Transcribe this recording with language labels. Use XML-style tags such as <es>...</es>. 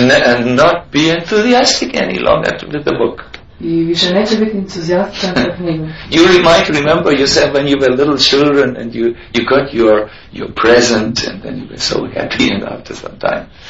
<en>and not be enthusiastic any longer with the book.</en> <hr>I više neće biti entuzijastičan za knjigu.</hr> <en>You might remember yourself when you were little children and you got your present and then you were so happy and after some time.</en>